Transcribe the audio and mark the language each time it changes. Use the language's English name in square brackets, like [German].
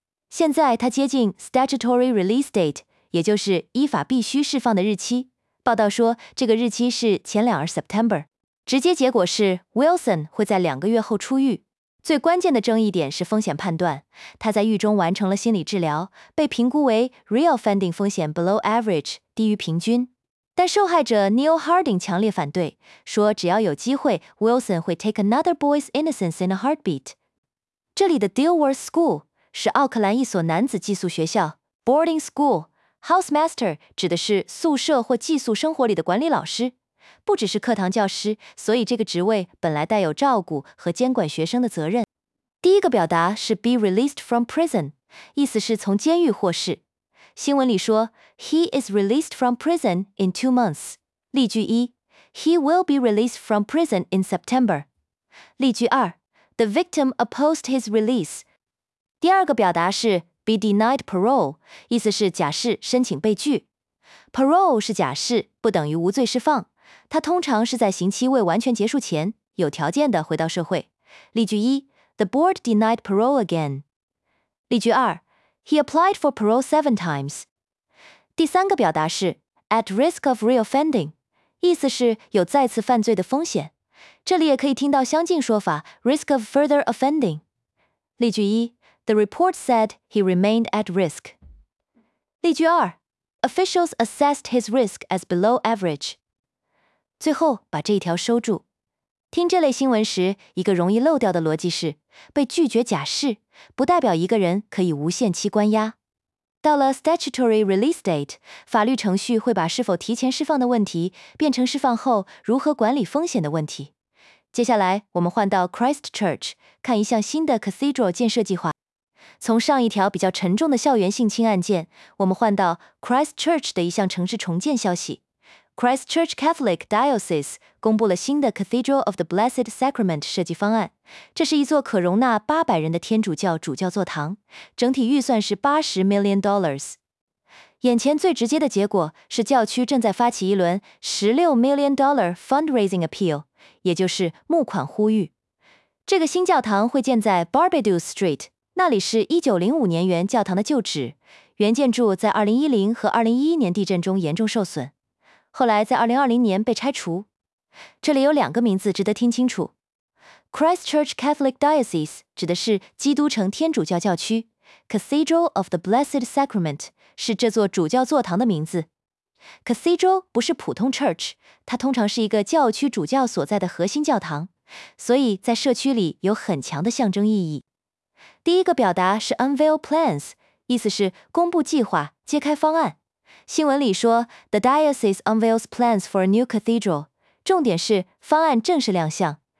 [Chinese] 现在他接近 statutory release date，也就是依法必须释放的日期。报道说，这个日期是前两日 September。直接结果是 Wilson 会在两个月后出狱。最关键的争议点是风险判断。他在狱中完成了心理治疗，被评估为 reoffending 风险 below average，低于平均。但受害者 Neil Harding 强烈反对，说只要有机会 ，Wilson 会 take another boy's innocence in a heartbeat。这里的 Dilworth School 是奥克兰一所男子寄宿学校 boarding school。 Housemaster 指的是宿舍或寄宿生活里的管理老师，不只是课堂教师，所以这个职位本来带有照顾和监管学生的责任。第一个表达是 be released from prison，意思是从监狱获释。 [English] 新闻里说，He is released from prison in 2 months。例句一，He will be released from prison in September。例句二，The victim opposed his release。 [Chinese] 第二个表达是 be denied parole，意思是假释申请被拒。 Parole 是假释，不等于无罪释放。它通常是在刑期未完全结束前，有条件的回到社会。 [English] 例句一，The board denied parole again。例句二，He applied for parole 7 times。 [Chinese] 第三个表达是 at risk of reoffending，意思是有再次犯罪的风险。这里也可以听到相近说法 risk of further offending。例句一。 [English] The report said he remained at risk. 例句二，Officials assessed his risk as below average. [Chinese] 最后把这一条收住。听这类新闻时，一个容易漏掉的逻辑是，被拒绝假释不代表一个人可以无限期关押。到了 statutory release date， 法律程序会把是否提前释放的问题变成释放后如何管理风险的问题。接下来我们换到 Christchurch， 看一项新的 cathedral 建设计划。从上一条比较沉重的校园性侵案件，我们换到 Christchurch 的一项城市重建消息。 Christchurch Catholic Diocese 公布了新的 Cathedral of the Blessed Sacrament 设计方案。这是一座可容纳800人的天主教主教座堂，整体预算是$80 million。眼前最直接的结果是教区正在发起一轮$16 million fundraising appeal， 也就是募款呼吁。这个新教堂会建在 Barbadoes Street， 那里是1905年原教堂的旧址，原建筑在2010和2011年地震中严重受损，后来在2020年被拆除。这里有两个名字值得听清楚， Christchurch Catholic Diocese 指的是基督城天主教教区， Cathedral of the Blessed Sacrament 是这座主教座堂的名字。 Cathedral 不是普通 church， 它通常是一个教区主教所在的核心教堂，所以在社区里有很强的象征意义。第一个表达是 unveil plans，意思是公布计划，揭开方案。新闻里说 The diocese unveils plans for a new cathedral，重点是方案正式亮相。